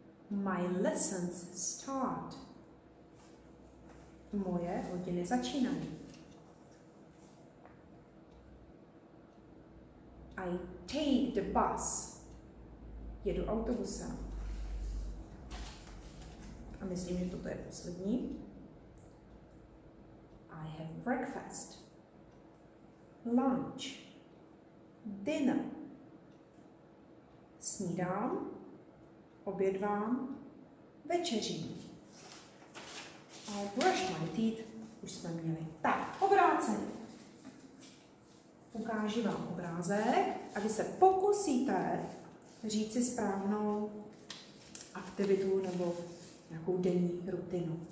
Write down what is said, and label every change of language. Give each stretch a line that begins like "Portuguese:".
English: My lessons start.
Czech: Moje hodiny začínají.
English: I take the bus.
Czech: Jedu autobusem. A myslím, že toto je poslední.
English: I have breakfast, lunch, dinner.
Czech: Snídám, obědvám, večeřím.
English: A brush my teeth,
Czech: už jsme měli. Tak, obráceně. Ukážu vám obrázek a vy se pokusíte říct si správnou aktivitu nebo nějakou denní rutinu.